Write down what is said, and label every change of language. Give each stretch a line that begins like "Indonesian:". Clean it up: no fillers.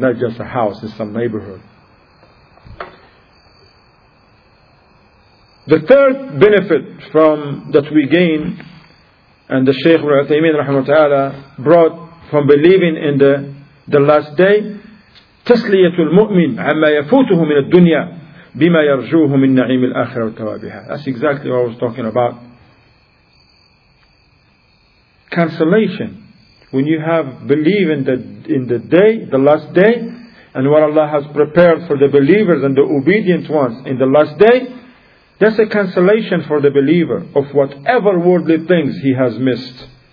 English: Not just a house in some neighborhood. The third benefit from that we gain, and the Shaykh Ibn Uthaymeen, rahmatullah, brought from believing in the last day,
Arabic: تسلية المؤمن عما يفوته من الدنيا بما يرجوه من نعيم الآخرة وتوابها.
English: That's exactly what I was talking about. Cancellation. When you have believe in the day, the last day, and what Allah has prepared for the believers and the obedient ones in the last day, that's a cancellation for the believer of whatever worldly things he has missed.